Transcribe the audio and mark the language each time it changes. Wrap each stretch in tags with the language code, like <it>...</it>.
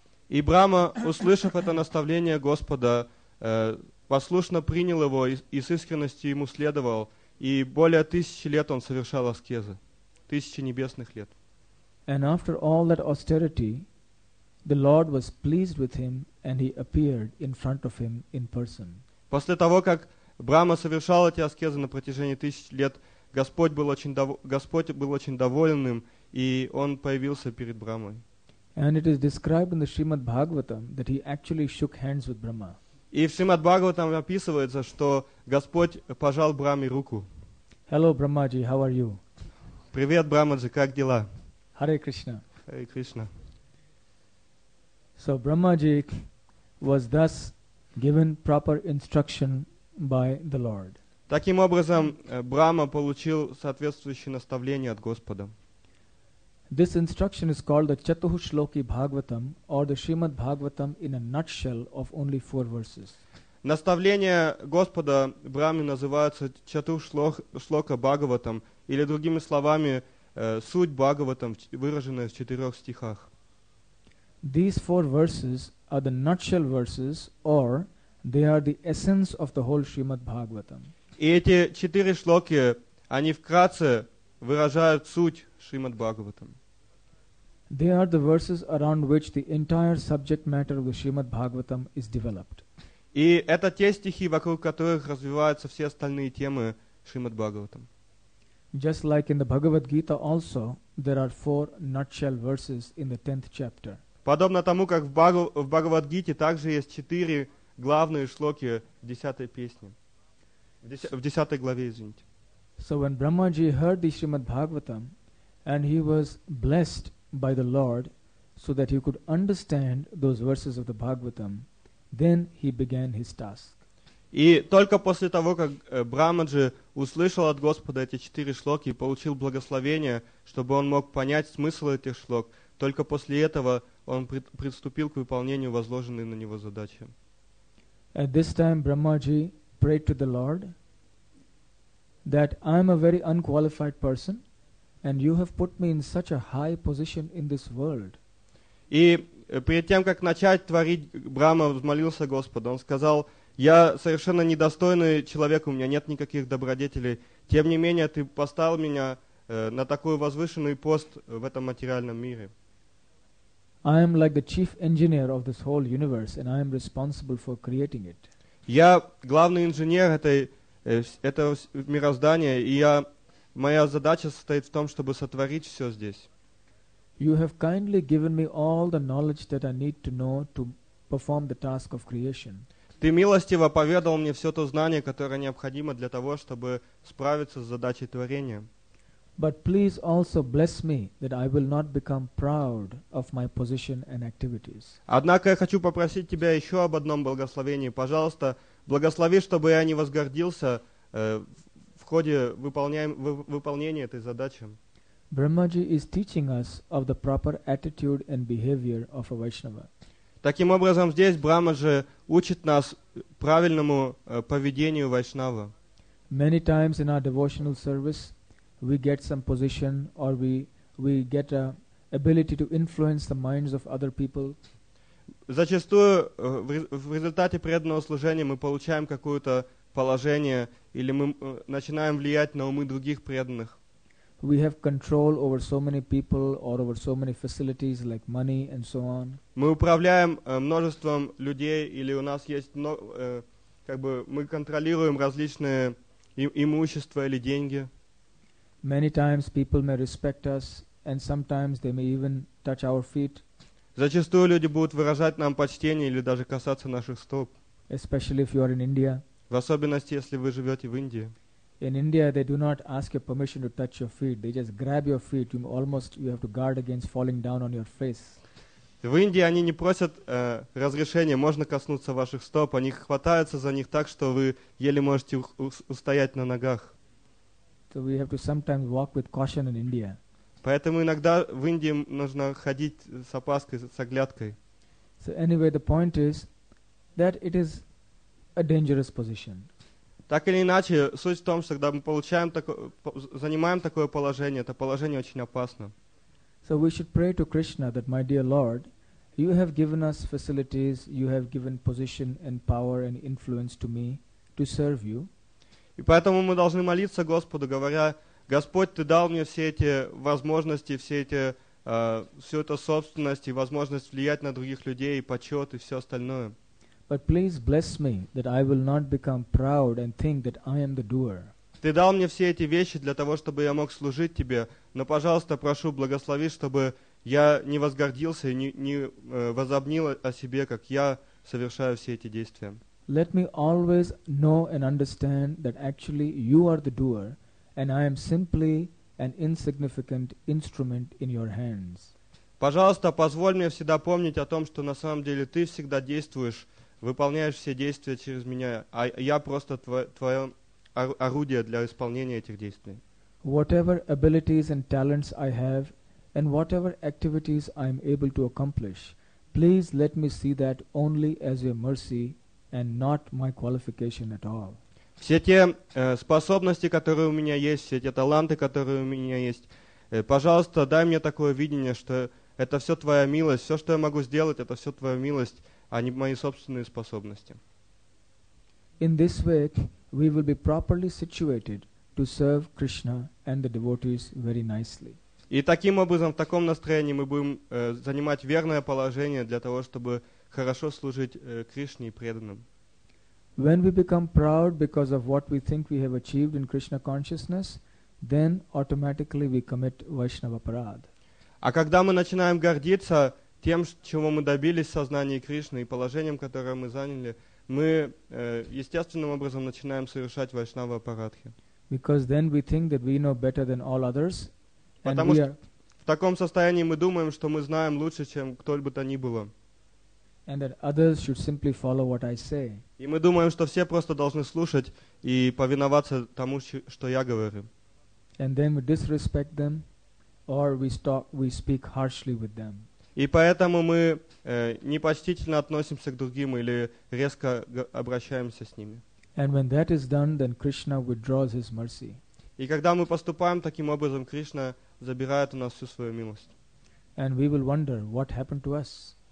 <ru>И Брахма, услышав это наставление Господа, послушно принял его и с искренностью ему следовал, и более 1000 лет он совершал аскезы, 1000 небесных лет.</ru> <en>And after all that austerity, the Lord was pleased with him, and he appeared in front of him in person.</en> <ru>После того, как Брахма совершал эти аскезы на протяжении 1000 лет, Господь был очень доволен им, и он появился перед Брахмой.</ru> <en>And it is described in the Srimad Bhagavatam that he actually shook hands with Brahma.</en> <ru>И в Шримад Бхагаватам описывается, что Господь пожал Брахме руку.</ru> <en>Hello, Brahmaji, how are you?</en> <ru>Привет, Брахмаджи, как дела?</ru> <en>Hare Krishna.</en> <ru>Hare Krishna.</ru> <en>So Brahmaji was thus given proper instruction by the Lord.</en> <ru>Таким образом, Брахма получил соответствующее наставление от Господа.</ru> <en>This instruction is called the Chatushloki Bhagavatam or the Srimad Bhagavatam in a nutshell of only 4 verses.</en> <ru>Наставление Господа Брахме называется Чатушлока Бхагаватам, или другими словами, суть Бхагаватам, выраженная в четырех стихах.</ru> <en>These four verses are the nutshell verses, or they are the essence of the whole Srimad Bhagavatam.</en> <ru>И эти четыре шлоки, они вкратце выражают суть Шримад Бхагаватам.</ru> <en>They are the verses around which the entire subject matter of the Srimad Bhagavatam is developed.</en> <ru>И это те стихи, вокруг которых развиваются все остальные темы Шримад Бхагаватам.</ru> <en>Just like in the Bhagavad Gita also, there are four nutshell verses in the 10th chapter.</en> <ru>Подобно тому, как в Бхагавад-гите также есть четыре главные шлоки в десятой песне. В десятой главе, извините.</ru> <en>So when Brahmaji heard the Srimad Bhagavatam, and he was blessed by the Lord, so that he could understand those verses of the Bhagavatam, then he began his task.</en> <ru>И только после того, как Брамаджи услышал от Господа эти четыре шлоки и получил благословение, чтобы он мог понять смысл этих шлок, только после этого он приступил к выполнению возложенной на него задачи.</ru> <en>At this time, Brahmaji prayed to the Lord that I am a very unqualified person, and you have put me in such a high position in this world.</en> <ru>И перед тем, как начать творить, Брама взмолился Господу. Он сказал: «Я совершенно недостойный человек, у меня нет никаких добродетелей. Тем не менее, ты поставил меня на такой возвышенный пост в этом материальном мире».</ru> <en>I am like the chief engineer of this whole universe, and I am responsible for creating it.</en> <ru>Я главный инженер этого мироздания, и моя задача состоит в том, чтобы сотворить все здесь.</ru> <en>You have kindly given me all the knowledge that I need to know to perform the task of creation.</en> <ru>Ты милостиво поведал мне все то знание, которое необходимо для того, чтобы справиться с задачей творения.</ru> <en>But please also bless me that I will not become proud of my position and activities.</en> <ru>Однако я хочу попросить тебя еще об одном благословении. Пожалуйста, благослови, чтобы я не возгордился в ходе выполнения этой задачи.</ru> <en>Brahmaji is teaching us of the proper attitude and behavior of a Vaishnava.</en> <ru>Таким образом, здесь Брамаджи учит нас правильному поведению Вайшнава.</ru> <en>Many times in our devotional service, we get some position, or we get a ability to influence the minds of other people.</en> <ru>Зачастую в результате преданного служения мы получаем какое-то положение, или мы начинаем влиять на умы других преданных.</ru> <en>We have control over so many people or over so many facilities like money and so on.</en> <ru>Мы управляем множеством людей, или у нас есть мы контролируем различные имущества или деньги.</ru> <en>Many times people may respect us, and sometimes they may even touch our feet.</en> <ru>Зачастую люди будут выражать нам почтение или даже касаться наших стоп.</ru> <en>Especially if you are in India.</en> <ru>В особенности, если вы живете в Индии.</ru> <en>In India, they do not ask your permission to touch your feet. They just grab your feet. You have to guard against falling down on your face.</en> <ru>В Индии они не просят разрешения, можно коснуться ваших стоп. Они хватаются за них так, что вы еле можете устоять на ногах.</ru> <en>So we have to sometimes walk with caution in India.</en> <ru>Поэтому иногда в Индии нужно ходить с опаской, с оглядкой.</ru> <en>So anyway, the point is that it is a dangerous position.</en> <ru>Так или иначе, суть в том, что когда мы занимаем такое положение, это положение очень опасно.</ru> <en>So we should pray to Krishna that, my dear Lord, you have given us facilities, you have given position and power and influence to me to serve you.</en> <ru>И поэтому мы должны молиться Господу, говоря: «Господь, Ты дал мне все эти возможности, всю эту собственность и возможность влиять на других людей, и почет, и все остальное».</ru> <en>But please bless me that I will not become proud and think that I am the doer.</en> <ru>Ты дал мне все эти вещи для того, чтобы я мог служить Тебе, но, пожалуйста, прошу, благослови, чтобы я не возгордился и не возобнил о себе, как я совершаю все эти действия.</ru> <en>Let me always know and understand that actually you are the doer, and I am simply an insignificant instrument in your hands.</en> <ru>Пожалуйста, позволь мне всегда помнить о том, что на самом деле ты всегда действуешь, выполняешь все действия через меня, а я просто твое орудие для исполнения этих действий.</ru> <en>Whatever abilities and talents I have, and whatever activities I am able to accomplish, please let me see that only as your mercy, and not my qualification at all.</en> <ru>Все те способности, которые у меня есть, все те таланты, которые у меня есть, Пожалуйста, дай мне такое видение, что это все твоя милость, все, что я могу сделать, это все твоя милость, а не мои собственные способности.</ru> <en>In this way, we will be properly situated to serve Krishna and the devotees very nicely.</en> <ru>И таким образом, в таком настроении мы будем занимать верное положение для того, чтобы хорошо служить Кришне и преданным.</ru> <en>When we become proud because of what we think we have achieved in Krishna consciousness, then automatically we commit Vaishnava parad.</en> <ru>А когда мы начинаем гордиться тем, чего мы добились в сознании Кришны и положением, которое мы заняли, мы естественным образом начинаем совершать Вайшнава парадхи.</ru> <en>Because then we think that we know better than all others.</en> <ru>Потому что в таком состоянии мы думаем, что мы знаем лучше, чем кто бы то ни было.</ru> <en>And that others should simply follow what I say.</en> <ru>И мы думаем, что все просто должны слушать и повиноваться тому, что я говорю.</ru> <en>And then we disrespect them, or we speak harshly with them.</en> <ru>И поэтому мы непочтительно относимся к другим или резко обращаемся с ними.</ru> <en>And when that is done, then Krishna withdraws his mercy.</en> <ru>И когда мы поступаем таким образом, Кришна забирает у нас всю свою милость.</ru> <en>And we will wonder what happened to us.</en>